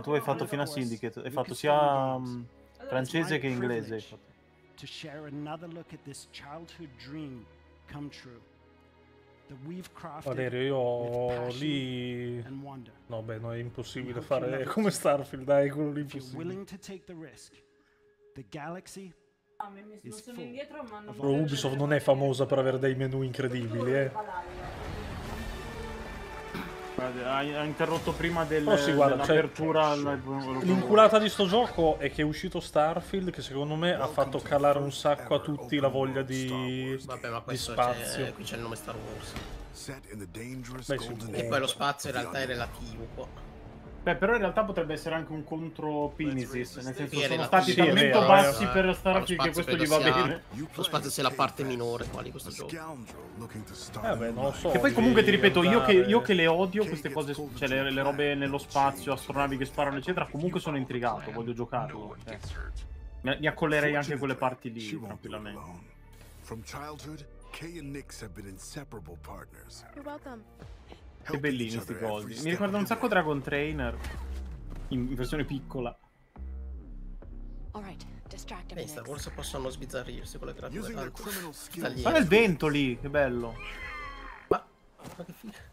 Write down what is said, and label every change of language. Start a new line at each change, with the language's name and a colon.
Italian: tu hai fatto fino a Syndicate, hai fatto sia francese che inglese.
English: to share another look at this childhood dream come true. That we've crafted
Italian: Valerio, io lì... No, beh, no, è impossibile fare come Starfield, dai, quello lì impossibile.
English: You're willing to take the risk. The galaxy is full.
Italian: Però Ubisoft non è famosa per avere dei menu incredibili, Ha interrotto prima dell'apertura. Cioè, l'inculata di sto gioco è che è uscito Starfield, che secondo me ha fatto calare un sacco a tutti la voglia di, vabbè, ma di spazio. Qui c'è il nome Star Wars. E poi lo spazio in realtà è relativo qua. Beh, però in realtà potrebbe essere anche un contro Pinisys, nel senso che sono stati talmente bassi per Starfield che questo gli va bene. Lo spazio sia la parte minore qua di questo gioco. Vabbè, non so. Che poi comunque ti ripeto, io che le odio queste cose, cioè le robe nello spazio, astronavi che sparano eccetera, comunque sono intrigato, voglio giocarlo. Mi accollerei anche quelle parti lì, tranquillamente.
English: From childhood, Kay and Nix have been inseparable partners. You're welcome.
Italian: Che bellini sti cosi. Mi ricorda un sacco Dragon Trainer in versione piccola. Alright, forse possono sbizzarrirsi con le creature. Ma il vento lì, che bello. Ma che fine.